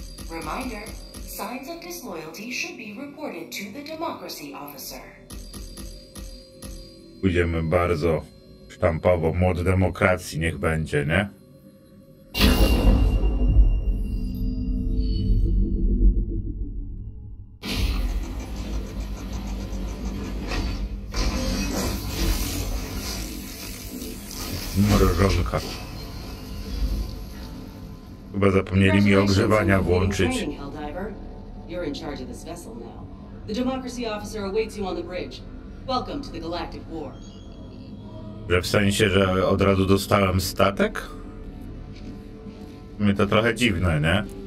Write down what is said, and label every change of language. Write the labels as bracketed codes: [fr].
[en] Reminder, signs of disloyalty should be reported to the democracy officer. [pl] Pójdziemy bardzo sztampowo, mod demokracji niech będzie, nie? Mrożonka. Chyba zapomnieli mi ogrzewania włączyć. [en] You're in charge of this vessel now. The democracy officer awaits you on the bridge. Welcome to the Galactic War. [pl] Że w sensie, że od razu dostałem statek? Mnie to trochę dziwne, nie?